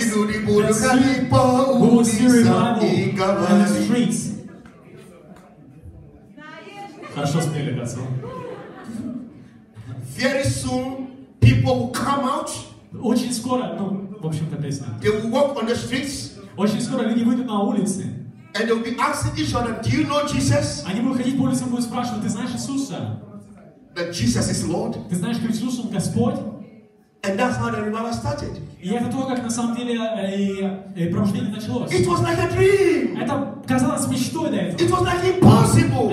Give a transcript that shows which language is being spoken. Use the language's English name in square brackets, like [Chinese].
[Russian] И люди будут ходить по улицам и говорить. Хорошо спели, братцы. [English] Very soon people will come out. [Russian] Очень скоро, ну, в общем-то, песня. [English] They will walk on the streets. [Russian] Очень скоро люди выйдут на улицы. [English] And they will be asking each other, do you know Jesus? [Russian] Они будут ходить по улицам, будут спрашивать, ты знаешь Иисуса? [English] That Jesus is Lord. [Russian] Ты знаешь, что Иисус он Господь? [English] And that's how the revival started. [Russian] И это то, как на самом деле пробуждение началось. [English] It was like a dream. [Russian] Это казалось мечтой до этого. [English] It was like impossible.